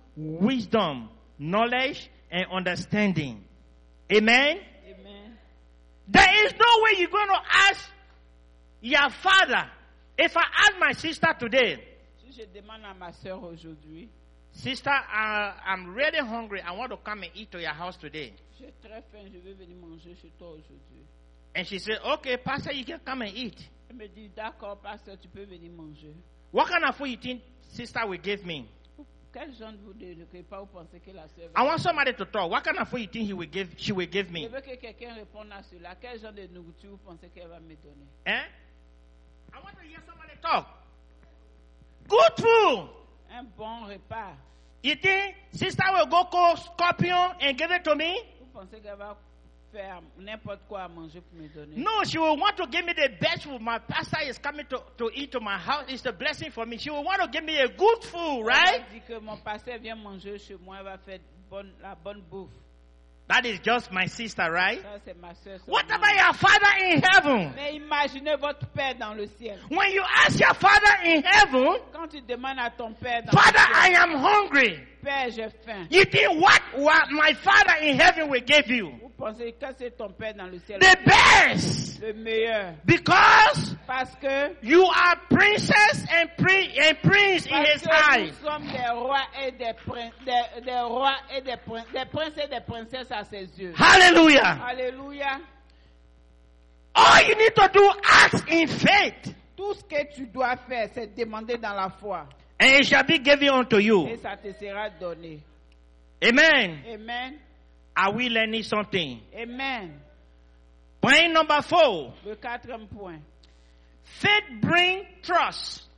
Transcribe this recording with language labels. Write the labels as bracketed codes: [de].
[en] Wisdom, knowledge, and understanding. Amen? Amen. There is no way you're going to ask your father. If I ask my sister today, [fr] si je demande à ma soeur aujourd'hui, [en] sister, I'm really hungry. I want to come and eat to your house today. [fr] J'ai très faim, je veux venir manger chez toi aujourd'hui. [en] And she said, okay, pastor, you can come and eat. [fr] Elle me dit, d'accord, pastor, tu peux venir manger. [en] What kind of food you think sister will give me? [fr] Quel genre vous de repas vous pensez que la sœur? [en] I want somebody to talk. What kind of food you think she will give me? [fr] Je veux que quelqu'un réponde à cela. Quel genre de nourriture vous pensez qu'elle va me donner? [en] Hein? I want to hear somebody talk. Good food. [fr] Un bon repas. [en] You think sister will go call Scorpion and give it to me? [fr] Vous pensez qu'elle va n'importe quoi à manger pour me donner. [en] No, she will want to give me the best food. My pastor is coming to eat to my house. It's a blessing for me. She will want to give me a good food, right? [fr] Elle dit que mon pasteur vient manger chez moi, elle va faire la bonne bouffe. [en] That is just my sister, right? [fr] Ça, c'est ma soeur, c'est [en] what about your father in heaven? [fr] Mais imaginez votre père dans le ciel. [en] When you ask your father in heaven, [fr] quand tu demandes à ton père dans [en] father, [fr] le ciel, [en] I am hungry. [fr] Père, j'ai faim. [en] You think what my father in heaven will give you? [fr] Vous pensez que c'est ton père dans le ciel? [en] The best. [fr] Le meilleur. [en] Because [fr] parce que [en] you are princess and prince in his eyes. [fr] Nous sommes des rois et des princes, des rois et des princes, des princes et des princesses à ses yeux. Hallelujah. Hallelujah. [en] All you need to do ask in faith. [fr] Tout ce que tu dois faire, c'est demander dans la foi. [en] And it shall be given unto you. [fr] Et ça te sera donné. Amen. Amen. [en] Are we learning something? Amen. Point number four. [fr] Le quatrième point. [en] Faith brings trust.